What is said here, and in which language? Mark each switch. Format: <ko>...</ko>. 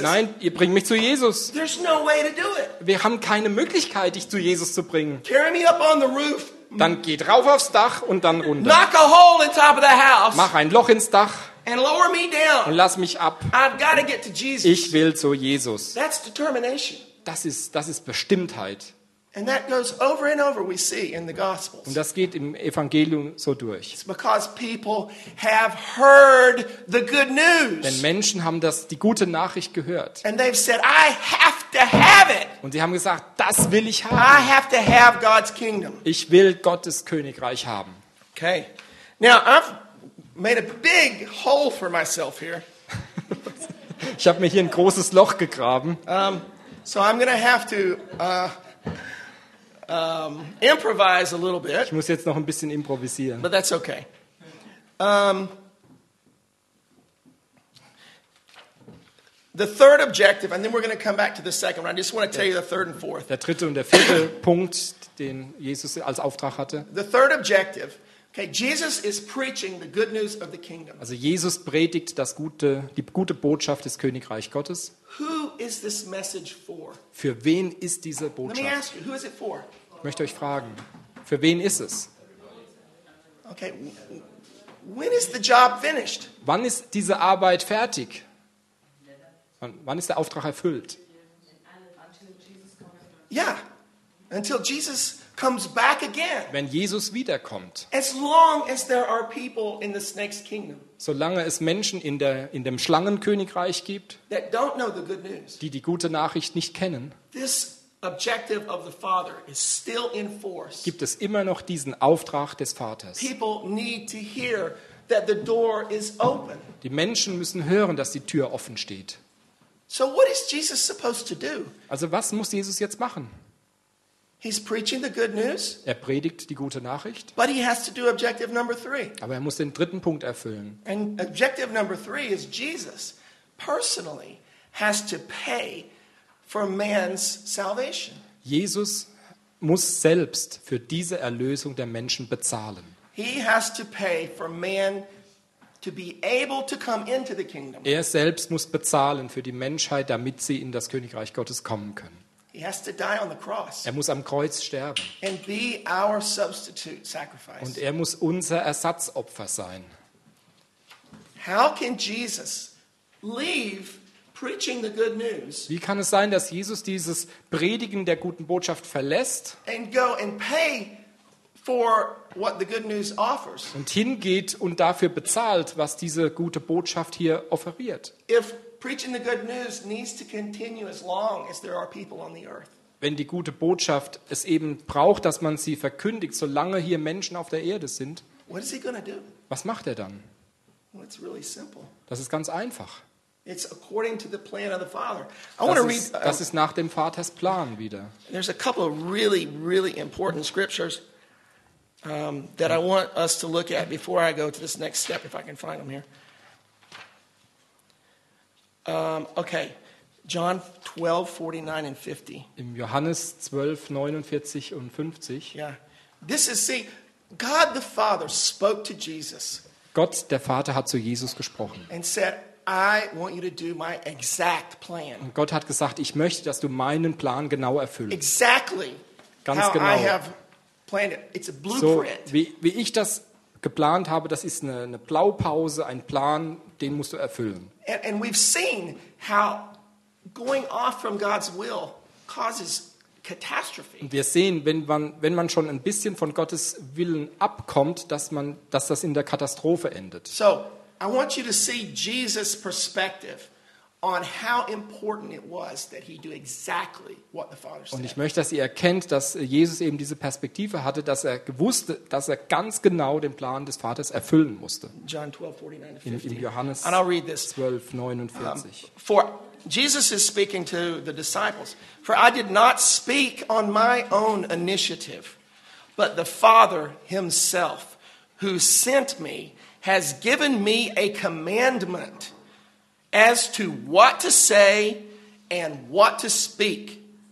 <de>Nein, ihr bringt mich zu Jesus.</de> <en>There's no way to do it.</en> <de>Wir haben keine Möglichkeit, dich zu Jesus zu bringen.</de> <en>Carry me up on the roof.</en> <de>Dann geht rauf aufs Dach und dann runter.</de> <en>Knock a hole in top of the house.</en> <de>Mach ein Loch ins Dach.</de> <en>And lower me down.</en> <de>Und lass mich ab.</de> <en>I've got to get to Jesus.</en> <de>Ich will zu Jesus.</de> <en>That's determination.</en> <de>Das ist Bestimmtheit.</de> <en>And that goes over and over we see in the Gospels.</en> <de>Und das geht im Evangelium so durch.</de> <en>It's because people have heard the good news.</en> <de>Denn Menschen haben die gute Nachricht gehört.</de> <en>And they've said, I have to have it.</en> <de>Und sie haben gesagt, das will ich haben.</de> <en>I have to have God's kingdom.</en> <de>Ich will Gottes Königreich haben. Okay.</de> <en>Now I've made a big hole for myself here.</en> <de>Ich habe mir hier ein großes Loch gegraben.</de> <en>So I'm going to have to improvise a little bit.</en> <de>Ich muss jetzt noch ein bisschen improvisieren.</de> <en>But that's okay. The third objective, and then we're going to come back to the second one. I just want to tell you the third and fourth.</en> <de>Der dritte und der vierte Punkt, den Jesus als Auftrag hatte.</de> <en>The third objective. Okay, Jesus is preaching the good news of the kingdom.</en> <de>Also Jesus predigt die gute Botschaft des Königreich Gottes.</de> <en>Who is this message for?</en> <de>Für wen ist diese Botschaft?</de> <en>Let me ask you, who is it for?</en> <de>Ich möchte euch fragen, für wen ist es?</de> <en>Okay, when is the job finished?</en> <de>Wann ist diese Arbeit fertig? Wann ist der Auftrag erfüllt?</de> <en>Yeah, until Jesus comes back again.</en> <de>Wenn Jesus wiederkommt.</de> <en>As long as there are people in the snake's kingdom.</en> <de>Solange es Menschen in dem Schlangenkönigreich gibt.</de> <en>That don't know the good news.</en> <de>Die gute Nachricht nicht kennen.</de> <en>This objective of the Father is still in force.</en> <de>Gibt es immer noch diesen Auftrag des Vaters?</de> <en>People need to hear that the door is open.</en> <de>Die Menschen müssen hören, dass die Tür offen steht.</de> <en>So what is Jesus supposed to do?</en> <de>Also was muss Jesus jetzt machen?</de> <en>He's preaching the good news.</en> <de>Er predigt die gute Nachricht.</de> <en>But he has to do objective number three.</en> <de>Aber er muss den dritten Punkt erfüllen.</de> <en>And objective number three is Jesus personally has to pay for man's salvation.</en> <de>Jesus muss selbst für diese Erlösung der Menschen bezahlen.</de> <en>He has to pay for man to be able to come into the kingdom.</en> <de>Er selbst muss bezahlen für die Menschheit, damit sie in das Königreich Gottes kommen können.</de> <en>He has to die on the cross.</en> <de>Er muss am Kreuz sterben.</de> <en>And be our substitute sacrifice.</en> <de>Und er muss unser Ersatzopfer sein.</de> <en>How can Jesus leave preaching the good news?</en> <de>Wie kann es sein, dass Jesus dieses Predigen der guten Botschaft verlässt?</de> <en>And go and pay for what the good news offers.</en> <de>Und hingeht und dafür bezahlt, was diese gute Botschaft hier offeriert.</de> <en>If preaching the good news needs to continue as long as there are people on the earth.</en> <de>Wenn die gute Botschaft es eben braucht, dass man sie verkündigt, solange hier Menschen auf der Erde sind.</de> <en>What is he going to do?</en> <de>Was macht er dann?</de> <en>Well, it's really simple.</en> <de>Das ist ganz einfach.</de> <en>It's according to the plan of the Father. I want to read.</en> <de>Das ist nach dem Vaters Plan wieder.</de> <en>There's a couple of really, really important scriptures that I want us to look at before I go to this next step, if I can find them here. Okay, John 12:49-50.</en> <de>Im Johannes 12:49-50.</de> <en>Yeah, this is, see, God the Father spoke to Jesus.</en> <de>Gott der Vater hat zu Jesus gesprochen.</de> <en>And said, I want you to do my exact plan.</en> <de>Und Gott hat gesagt, ich möchte, dass du meinen Plan genau erfüllst.</de> <en>Exactly.</en> <de>Ganz</de> <en>how</en> <de>genau.</de> <en>I have planned it. It's a blueprint.</en> <de>So wie ich das geplant habe, das ist eine Blaupause, ein Plan, den musst du erfüllen.</de> <en>And we've seen how going off from God's will causes catastrophe.</en> <de>Und wir sehen, wenn man schon ein bisschen von Gottes Willen abkommt, dass das in der Katastrophe endet.</de> <en>So I want you to see Jesus' perspective on how important it was that he do exactly what the Father said.</en> <de>Und ich möchte, dass ihr erkennt, dass Jesus eben diese Perspektive hatte, dass er gewusst, dass er ganz genau den Plan des Vaters erfüllen musste.</de> <en>John 12:49-50.</en> <de>In Johannes 12:49.</de> <en>For Jesus is speaking to the disciples. For I did not speak on my own initiative, but the Father himself who sent me has given me a commandment as to what to say and what to speak.</en>